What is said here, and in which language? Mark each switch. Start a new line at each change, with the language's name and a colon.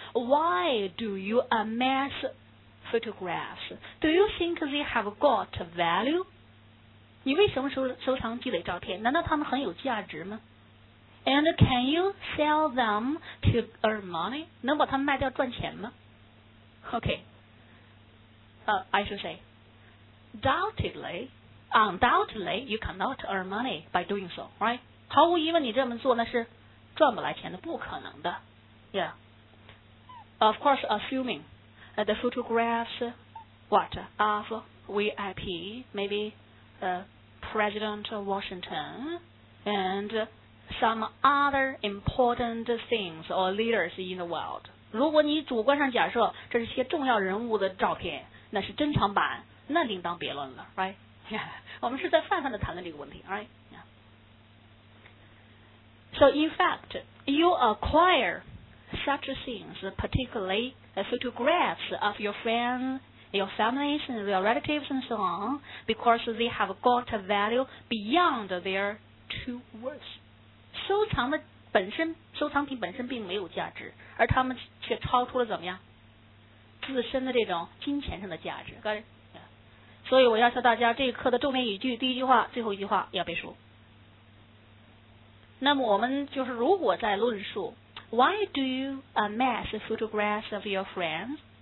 English: Why do you amass photographs? Do you think they have got value?
Chinese: 你为什么收藏积累照片？难道他们很有价值吗
English: ？And can you sell them to earn money?
Chinese: 能把它们卖掉赚钱吗 ？OK.
English: I should say, undoubtedly, you cannot earn money by doing so, right?
Chinese: 毫无疑问，你这么做那是赚不来钱的，不可能的。
English: Yeah. Of course, assuming that the photographs, what, of VIP, maybe President Washington, and some other important things or leaders in the world.
Chinese: 如果你主观上假设这是些重要人物的照片。那是珍藏版，那另当别论了 ，
English: right？ Yeah.
Chinese: 我们是在泛泛的谈论这个问题 ，
English: right？ Yeah. So in fact, you acquire such things, particularly photographs of your friends, your families, and your relatives, and so on, because they have got a value beyond their true worth.
Chinese: 收藏的本身，收藏品本身并没有价值，而他们却超出了怎么样？自身的这种金钱上的价值，所以我要求大家这一课的重点语句第一句话最后一句话要背熟。那么我们就是如果在论述
English: Why do you amass photographs of your friends?